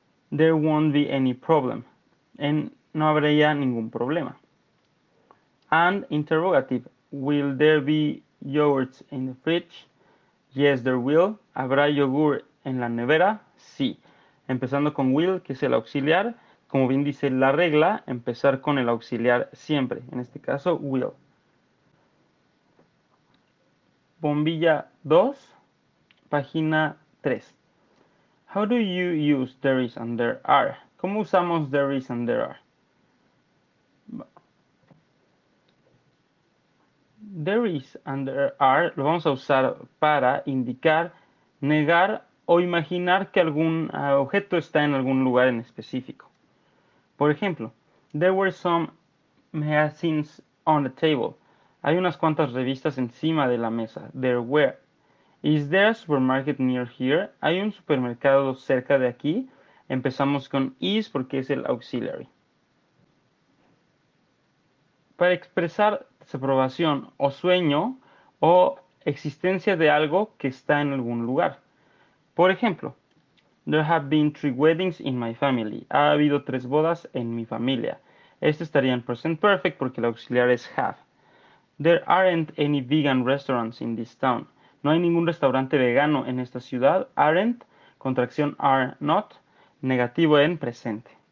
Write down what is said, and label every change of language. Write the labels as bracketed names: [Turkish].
[English] There won't be any problem. [Spanish] En no habría ningún problema. [English] And interrogative, will there be yogurts in the fridge? Yes, there will. [Spanish] ¿Habrá yogur en la nevera? Sí. Empezando con will, que es el auxiliar. Como bien dice la regla, empezar con el auxiliar siempre. En este caso, will. Bombilla 2, página 3. [English] How do you use there is and there are? [Spanish] ¿Cómo usamos [English] there is and there are? There is and there are [Spanish] lo vamos a usar para indicar, negar o imaginar que algún objeto está en algún lugar en específico. Por ejemplo, [English] there were some magazines on the table. [Spanish] Hay unas cuantas revistas encima de la mesa. [English] There were. Is there a supermarket near here? [Spanish] ¿Hay un supermercado cerca de aquí? Empezamos con is porque es el auxiliary. Para expresar desaprobación o sueño o existencia de algo que está en algún lugar. Por ejemplo, [English] there have been 3 weddings in my family. [Spanish] Ha habido 3 bodas en mi familia. Este estaría en present perfect porque el auxiliar es have. [English] There aren't any vegan restaurants in this town. [Spanish] No hay ningún restaurante vegano en esta ciudad. Aren't, contracción are not, negativo en presente.